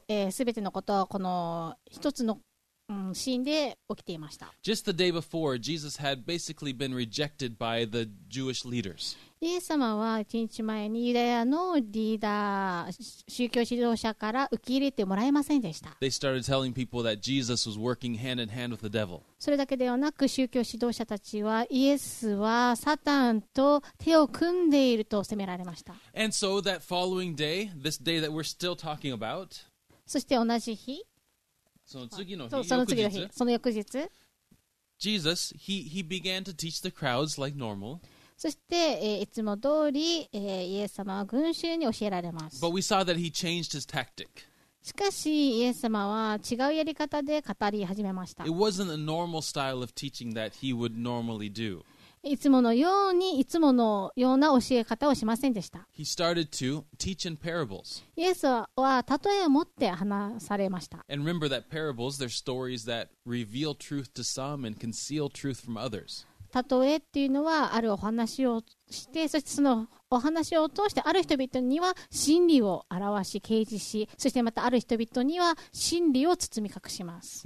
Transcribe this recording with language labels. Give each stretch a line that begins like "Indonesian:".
Japanese: すべてのことはこの一つの、シーンで起きていました。
English: Just the day before, Jesus had basically been rejected by the Jewish leaders.
Japanese: イエス様は一日前にユダヤのリーダー、宗教指導者から受け入れてもらえませんでした。
English: They started telling people that Jesus was working hand in hand with the devil.
Japanese: それだけではなく、宗教指導者たちはイエスはサタンと手を組んでいると責められました。
English: And so that following day, this day that we're still talking about,
Japanese: そして同じ日、その次の日、
English: Jesus, he began to teach the crowds like normal.
Japanese: そして、いつも通り、イエス様は群衆に教えられます。
English: But we saw that he changed his tactic.
Japanese: しかし、イエス様は違うやり方で語り始めました。
English: It wasn't a normal style of teaching that he would normally do.
Japanese: いつものように、いつものような教え方をしませんでした。
English: He started to teach in parables.
Japanese: イエスは例えを持って話されました。
English: And remember that parables, they're stories that reveal truth to some and conceal truth from others.
Japanese: 例えっていうのはあるお話をしてそしてそのお話を通してある人々には真理を表し啓示しそしてまたある人々には真理を包み隠します。